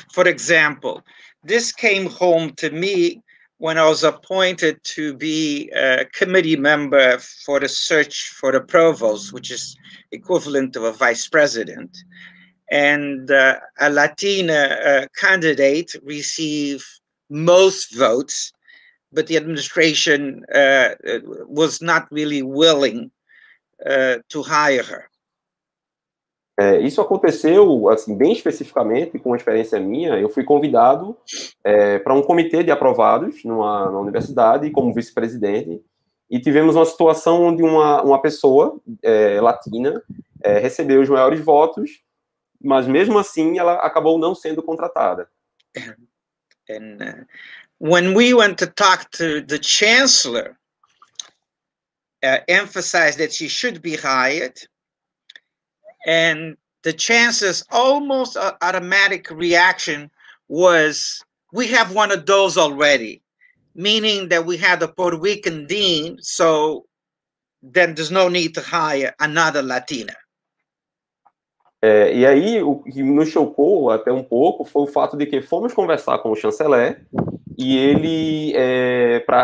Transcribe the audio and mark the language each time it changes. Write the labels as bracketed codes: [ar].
[en] For example, this came home to me when I was appointed to be a committee member for the search for the provost, which is equivalent to a vice president. And a Latina candidate received most votes, but the administration was not really willing to hire her. [pt] Isso aconteceu, assim, bem especificamente, com uma experiência minha. Eu fui convidado para um comitê de aprovados na universidade, como vice-presidente, e tivemos uma situação onde uma pessoa latina recebeu os maiores votos, mas mesmo assim ela acabou não sendo contratada. [en] And when we went to talk to the chancellor, emphasized that she should be hired, and the chancellor's almost automatic reaction was, we have one of those already, meaning that we had a Puerto Rican dean, so then there's no need to hire another Latina. [pt] E aí, o que nos chocou até um pouco foi o fato de que fomos conversar com o chanceler, e ele,